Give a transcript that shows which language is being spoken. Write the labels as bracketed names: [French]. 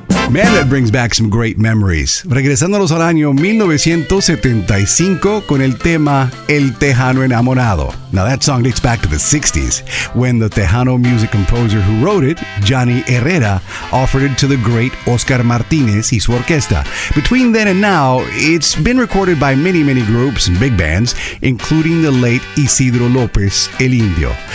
[English] Man, that brings back some great memories. [Spanish] Regresándonos al año 1975 con el tema El Tejano Enamorado. [English] Now that song dates back to the 60s when the Tejano music composer who wrote it, Johnny Herrera, offered it to the great Oscar Martinez y su orquesta. Between then and now, it's been recorded by many, many groups and big bands, including the late Isidro López, El Indio.